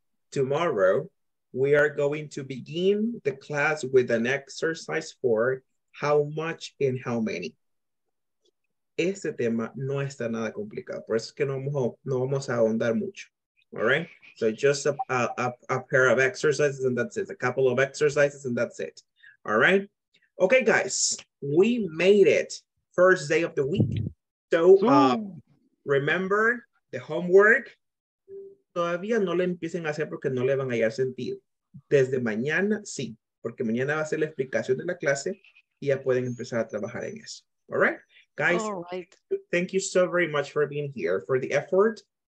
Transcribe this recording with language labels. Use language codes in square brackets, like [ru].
[en] Tomorrow, we are going to begin the class with an exercise for how much and how many. [es] Este tema no está nada complicado, por eso es que no vamos a ahondar mucho, [en] all right? So just a pair of exercises and that's it, a couple of exercises and that's it, all right? Okay, guys, we made it, first day of the week. So remember the homework, [es] todavía no le empiecen a hacer porque no le van a hallar sentido. Desde mañana, sí, porque mañana va a ser la explicación de la clase y ya pueden empezar a trabajar en eso. [en] All right, guys, thank you so very much for being here, for the effort.